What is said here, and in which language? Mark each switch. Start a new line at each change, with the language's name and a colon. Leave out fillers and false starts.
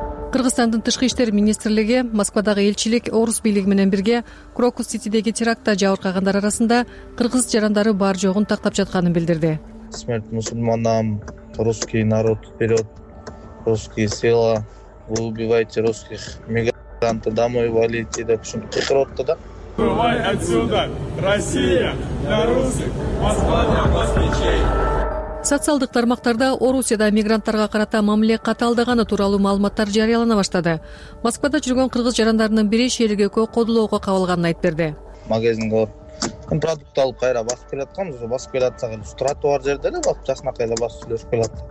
Kyrgyz: Кыргызстандын тышкы иштер министрлиги, Москвадагы элчилик, орус бийлиги менен бирге Крокус Ситидеги теракта жабыркагандар арасында кыргыз жарандары бар жогун тактап жатканын билдирди.
Russian: Смерть мусульманам, русский народ вперед, русские села, вы убиваете русских мигрантов, домой валите, допустим, кихрот-то, да? Бывай отсюда, Россия, для русских, Москва для москвичей.
Kyrgyz: Социалдык тармактарда Орусияда мигранттарга карата мамиле катаалдаганы тууралуу маалыматтар жарыялана баштады. Москвада жүргөн кыргыз жарандарынын бири шиелгекө кодулоого кабылганын айтып берди. Магазинге барып, продукт алып кайра басып келатканбыз. Басып келатсак эле тротуар жерде эле басып жакшынакай эле басып сүйлөшүп келат.